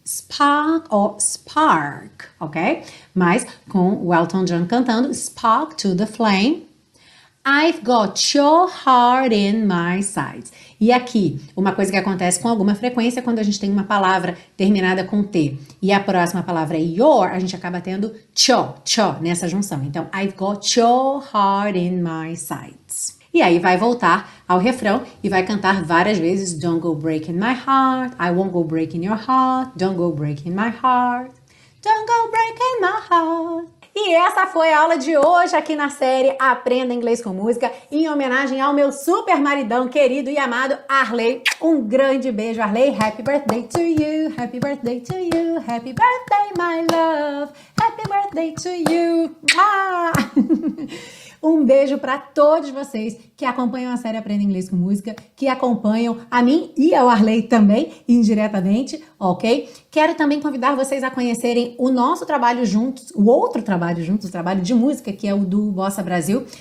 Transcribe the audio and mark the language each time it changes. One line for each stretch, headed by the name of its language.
English: Spark or spark, ok?
Portuguese: Mas com o Elton John cantando,
English: spark to the flame. I've got your heart in my sights.
Portuguese: E aqui, uma coisa que acontece com alguma frequência quando a gente tem uma palavra terminada com T. E a próxima palavra é your, a gente acaba tendo cho, cho nessa junção.
English: Então, I've got your heart in my sights.
Portuguese: E aí vai voltar ao refrão e vai cantar várias vezes
English: Don't go breaking my heart, I won't go breaking your heart, Don't go breaking my heart, Don't go breaking my heart.
Portuguese: E essa foi a aula de hoje aqui na série Aprenda Inglês com Música, em homenagem ao meu super maridão querido e amado Arley. Um grande beijo, Arley.
English: Happy birthday to you, happy birthday to you, happy birthday, my love, happy birthday to you. Ah!
Portuguese: Um beijo para todos vocês que acompanham a série Aprenda Inglês com Música, que acompanham a mim e ao Arley também, indiretamente, ok? Quero também convidar vocês a conhecerem o nosso trabalho juntos, o outro trabalho juntos, o trabalho de música, que é o do Bossa Brasil.